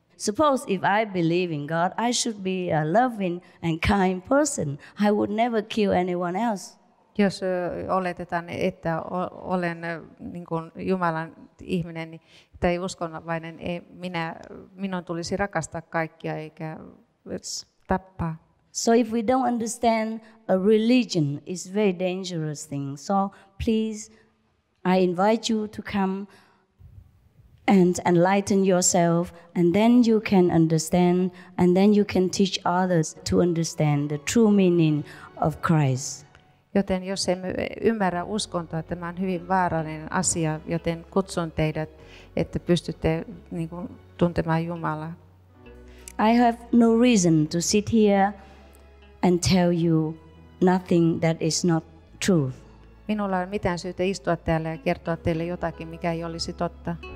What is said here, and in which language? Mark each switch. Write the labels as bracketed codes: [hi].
[en] Suppose if I believe in God, I should be a loving and kind person. I would never kill anyone else. [fi] Jos oletetaan, että olen niin kuin Jumalan ihminen, niin tai uskonnollinen, minun tulisi rakastaa kaikkia eikä tappaa. [en] So if we don't understand a religion, it's very dangerous thing. So please, I invite you to come and enlighten yourself, and then you can understand, and then you can teach others to understand the true meaning of Christ. [fi] Joten jos emme ymmärrä uskontoa, tämä on hyvin vaarallinen asia, joten kutsun teidät, että pystytte niin kuin tuntemaan Jumalaa. [en] I have no reason to sit here and tell you nothing that is not truth. [fi] Minulla ei ole mitään syytä istua täällä ja kertoa teille jotakin, mikä ei olisi totta.